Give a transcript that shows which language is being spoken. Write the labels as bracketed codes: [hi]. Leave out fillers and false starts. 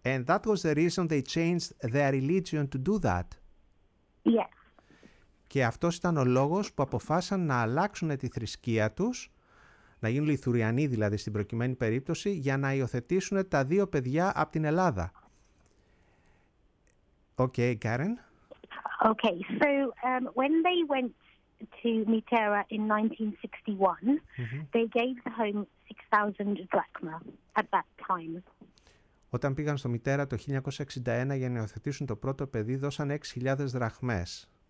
[en] And that was the reason they changed their religion to do that. Yes. [el] Και αυτός ήταν ο λόγος που αποφάσισαν να αλλάξουν τη θρησκεία τους, να γίνουν Λιθουριανοί δηλαδή στην προκειμένη περίπτωση, για να υιοθετήσουν τα δύο παιδιά από την Ελλάδα. [en] Okay, Karen. Okay, so when they went to Mitera in 1961, they gave the home 6,000 drachma at that time. [el] Όταν πήγαν στο Μητέρα το 1961 για να υιοθετήσουν το πρώτο παιδί, δώσαν 6,000 δραχμές.